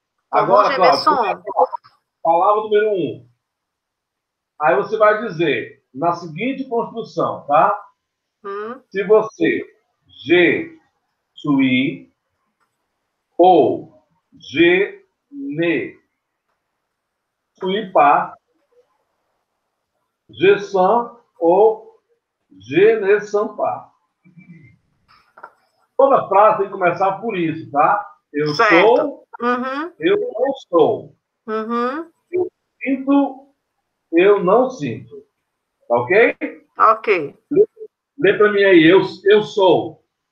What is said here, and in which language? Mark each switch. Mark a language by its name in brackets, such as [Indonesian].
[Portuguese] Agora, Cláudio, palavra número um. Aí você vai dizer, na seguinte construção, tá? Se você [French] je suis ou je ne suis pas, je sens ou je ne sens pas. [Portuguese] Toda frase tem que começar por isso, tá? Eu sou, eu não sou. Eu sinto, eu não sinto. Ok? Ok. Lê para mim aí, eu sou.